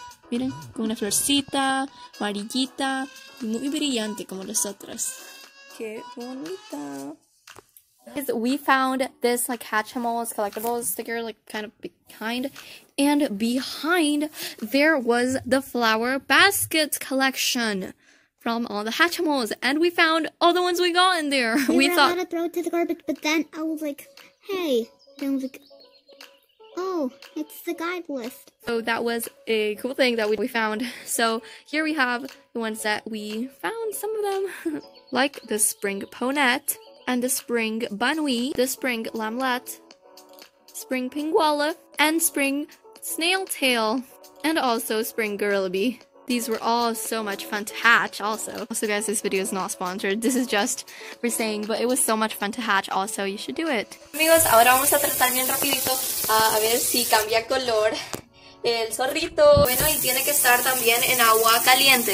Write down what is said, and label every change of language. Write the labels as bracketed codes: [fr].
[es] Miren, con una florcita, amarillita, muy brillante como las otras. Qué bonita. [en] We found this like Hatchimals collectibles sticker, like kind of behind, and behind there was the flower basket collection from all the Hatchimals, and we found all the ones we got in there. We thought to throw it to the garbage, but then I was like, hey, and I was like, oh, it's the guide list. So that was a cool thing that we found. So here we have the ones that we found, some of them. Like the spring ponette. And the spring banui, the spring lamlet, spring pingwala, and spring snail tail, and also spring gorillabee. These were all so much fun to hatch also. Also guys, this video is not sponsored. This is just for saying, but it was so much fun to hatch also. You should do it. [es] Amigos, ahora vamos a tratar bien rapidito a ver si cambia color el zorrito. Bueno, y tiene que estar también en agua caliente.